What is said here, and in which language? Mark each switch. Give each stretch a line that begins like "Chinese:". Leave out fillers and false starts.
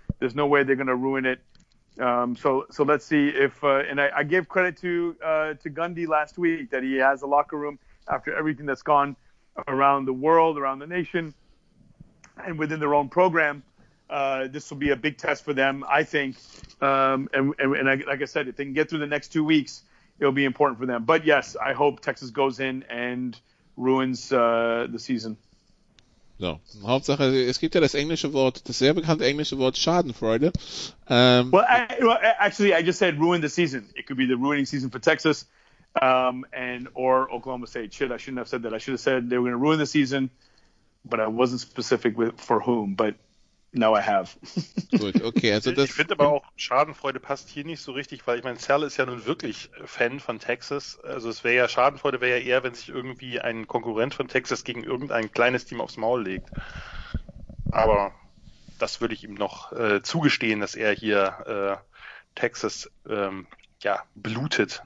English: There's no way they're going to ruin it. So let's see if I gave credit to Gundy last week that he has a locker room after everything that's gone around the world, around the nation, and within their own program. This will be a big test for them, I think. Like I said, if they can get through the next 2 weeks, it'll be important for them. But yes, I hope Texas goes in and ruins the season.
German: So, Hauptsache, es gibt ja das englische Wort, das sehr bekannte englische Wort Schadenfreude.
English: I just said ruin the season. It could be the ruining season for Texas or Oklahoma State. Shit, I shouldn't have said that. I should have said they were going to ruin the season, but I wasn't specific with for whom, but now I have.
German: Gut, okay. Also ich finde aber auch, Schadenfreude passt hier nicht so richtig, weil ich meine, Sal ist ja nun wirklich Fan von Texas. Also es wäre ja, Schadenfreude wäre ja eher, wenn sich irgendwie ein Konkurrent von Texas gegen irgendein kleines Team aufs Maul legt. Aber das würde ich ihm noch zugestehen, dass er hier Texas blutet.